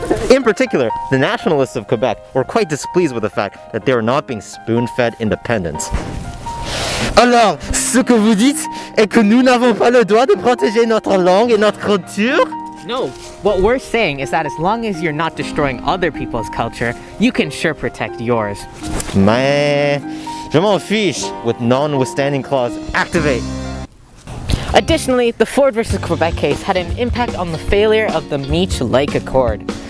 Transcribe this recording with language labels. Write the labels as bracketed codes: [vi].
[en] In particular, the nationalists of Quebec were quite displeased with the fact that they were not being spoon-fed independence. [fr] Alors, ce que vous dites est que nous n'avons pas le droit de protéger notre langue et notre culture? [en] No, what we're saying is that as long as you're not destroying other people's culture, you can sure protect yours. [fr] Mais, je m'en fiche [en] with non-withstanding clause activate. Additionally, the Ford versus Quebec case had an impact on the failure of the Meech Lake Accord.